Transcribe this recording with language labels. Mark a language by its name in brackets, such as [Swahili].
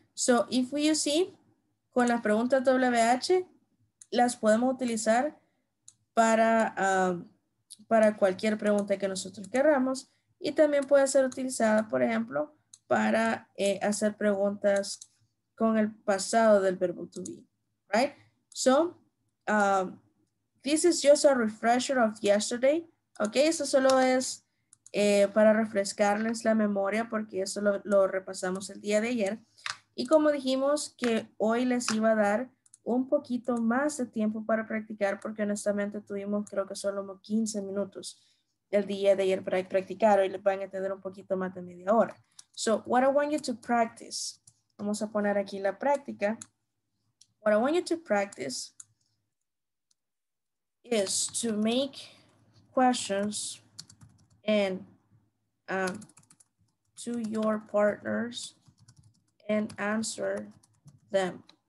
[Spanish] So, [English] if we use see, [Spanish] con las preguntas WH, las podemos utilizar para cualquier pregunta que nosotros queramos. Y también puede ser utilizada, por ejemplo, para hacer preguntas con el pasado del verbo to be, right? [English] So, this is just a refresher of yesterday, okay? [Spanish] Eso solo es para refrescarles la memoria porque eso lo repasamos el día de ayer. Y como dijimos que hoy les iba a dar un poquito más de tiempo para practicar porque honestamente tuvimos creo que solo 15 minutos el día de ayer para practicar, hoy les van a tener un poquito más de media hora. [English] So what I want you to practice, [Spanish] vamos a poner aquí la práctica. [English] What I want you to practice is to make questions and to your partners and answer them.